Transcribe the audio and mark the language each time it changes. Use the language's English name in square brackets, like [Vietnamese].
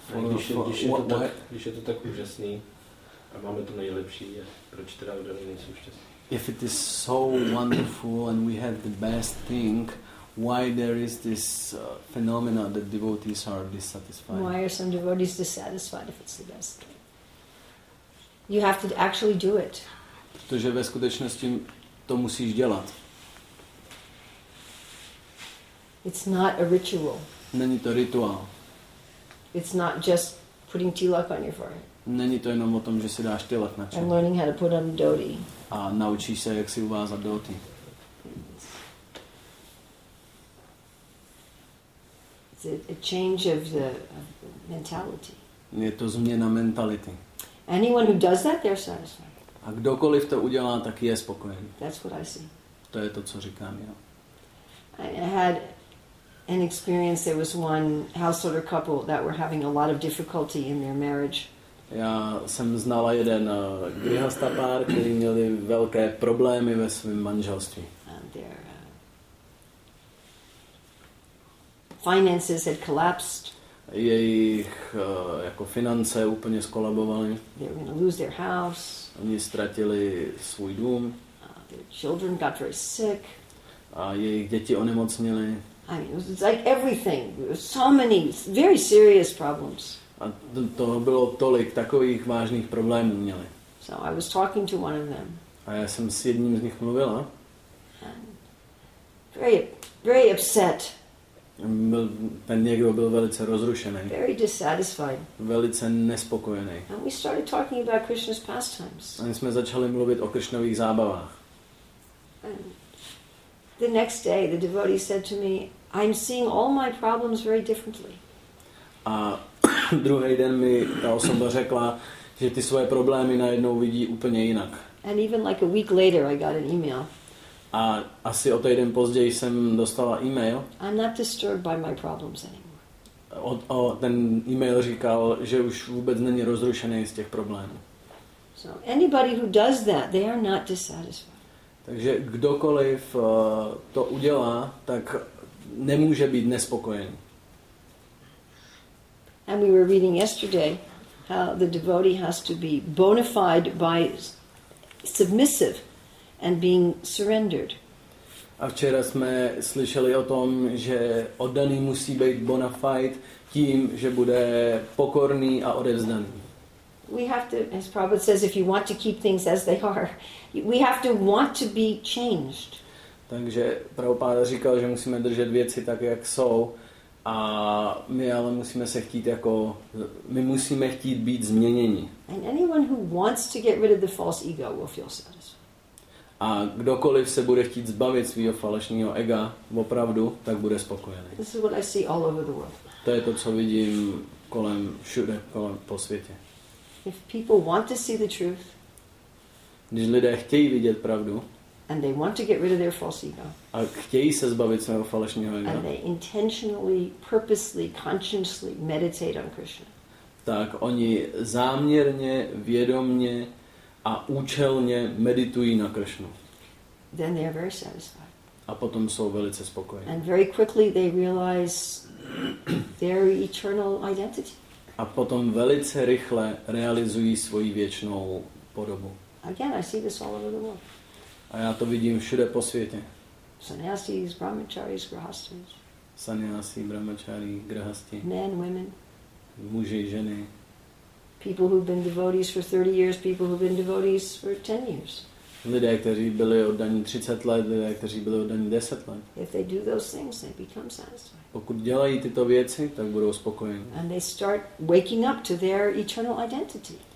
[English] If it is so wonderful and we have the best thing, why there is this phenomena that devotees are dissatisfied? Why are some devotees dissatisfied if it's the best thing? You have to actually do it. [Czech] Protože ve skutečnosti to musíš dělat. [English] It's not a ritual. [Czech] Není to rituál. [English] It's not just putting tilak on your forehead. [Czech] Není to jenom o tom, že si dáš tilak na čelo. [English] And learning how to put on dhoti. [Czech] A naučíš se, jak si uvázat dhoti. [English] It's a change of the mentality. [Czech] Je to změna mentality. [English] Anyone who does that, they're satisfied. [Czech] A kdokoliv to udělá, tak je spokojený. [English] That's what I see. [Czech] To je to, co říkám já. [English] I had an experience. There was one householder couple that were having a lot of difficulty in their marriage. [Czech] Já jsem znala jeden grihastha pár, který měli velké problémy ve svém manželství. [English] Their finances had collapsed. [Czech] Jejich jako finance úplně skolabovaly. [English] They were going to lose their house. [Czech] Oni ztratili svůj dům. [English] Their children got very sick. [Czech] A jejich děti onemocněly. [English] I mean, it was like everything. So many very serious problems. [Czech] A to bylo tolik takových vážných problémů měli. [English] So I was talking to one of them. [Czech] A já jsem s jedním z nich mluvila. [English] Very, very upset. [Czech] Ten někdo byl velice rozrušený. [English] Very dissatisfied. [Czech] Velice nespokojený. [English] And we started talking about Krishna's pastimes. [Czech] A my jsme začali mluvit o Krishnových zábavách. [English] The next day, the devotee said to me, "I'm seeing all my problems very differently." [Czech] A druhý den mi ta osoba řekla, že ty svoje problémy najednou vidí úplně jinak. [English] And even like a week later, I got an email. [Czech] A asi o týden později jsem dostala email. [English] I'm not disturbed by my problems anymore. [Czech] Ten email říkal, že už vůbec není rozrušený z těch problémů. [English] So anybody who does that, they are not dissatisfied. [Czech] Takže kdokoliv to udělá, tak nemůže být nespokojen. [English] And we were reading yesterday how the devotee has to be bona fide by submissive and being surrendered. [Czech] A včera jsme slyšeli o tom, že oddaný musí být bona fide tím, že bude pokorný a odevzdaný. [English] We have to, as Prabhupada says, if you want to keep things as they are, we have to want to be changed. [Czech] Takže Prabhupada říkal, že musíme držet věci tak, jak jsou, a my ale musíme se chtít jako, my musíme chtít být změněni. [English] And anyone who wants to get rid of the false ego will feel satisfied. [Czech] A kdokoliv se bude chtít zbavit svého falešného ega, opravdu, tak bude spokojený. [English] This is what I see all over the world. [Czech] To je to, co vidím kolem všude, kolem po světě. [English] If people want to see the truth, [Czech] když lidé chtějí vidět pravdu, [English] and they want to get rid of their false ego, [Czech] a chtějí se zbavit svého falešného ega, [English] and they intentionally, purposely, consciously meditate on Krishna, [Czech] tak oni záměrně, vědomně a účelně meditují na Krishnu, [English] then they are very satisfied. [Czech] A potom jsou velice spokojení. [English] And very quickly they realize their eternal identity. [Czech] A potom velice rychle realizují svoji věčnou podobu. [English] Again, I see this all over the world. [Czech] A já to vidím všude po světě. [English] Sannyasis, brahmacharis, grahasthas. [Czech] Sannyasi, brahmacharí, grahasthi. [English] Men, women. [Czech] Muži, ženy. [English] People who've been devotees for 30 years, people who've been devotees for 10 years. [Czech] Lidé, kteří byli oddaní 30 let, lidé, kteří byli oddaní 10 let. [English] If they do those things, they become satisfied. [Czech] Pokud dělají tyto věci, tak budou spokojeni. [English] And they start waking up to their eternal identity.